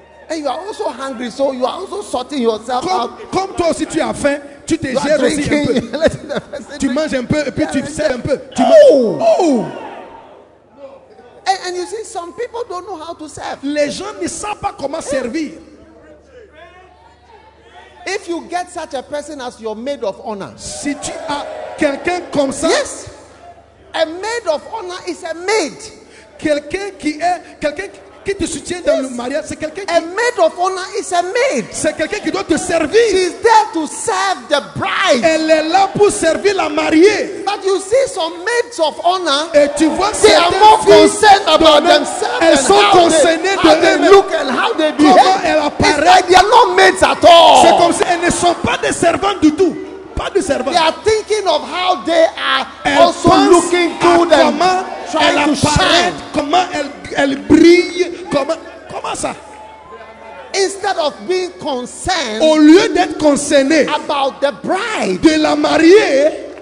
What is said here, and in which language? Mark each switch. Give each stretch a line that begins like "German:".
English: And you are also hungry, so you are also sorting yourself out.
French: Comme toi aussi tu as faim, tu te gères aussi
English: drinking,
French: un peu. Tu manges un peu et puis tu serves un peu. Tu
English: And you see, some people don't know how to serve.
French: Les gens ne savent pas comment servir.
English: If you get such a person as your maid of honor,
French: si tu as quelqu'un comme ça,
English: yes, a maid of honor is a maid.
French: Quelqu'un qui est quelqu'un qui te soutient dans le mariage, c'est quelqu'un qui.
English: A maid of honor is a maid.
French: C'est quelqu'un qui doit te servir.
English: She is there to serve the bride.
French: Elle est là pour servir la mariée.
English: But you see some maids of honor.
French: Et tu vois,
English: they are more concerned about themselves.
French: Elles sont concernées de
English: how they look and how they behave.
French: Comment elles apparaissent.
English: They are not maids at all.
French: C'est comme si elles ne sont pas des servantes du tout. Pas de servantes.
English: They are thinking of how they are also looking good and trying to shine.
French: Comment elle brille. Comment ça?
English: Instead of being concerned,
French: au lieu d'être concerné
English: about the bride,
French: de la mariée,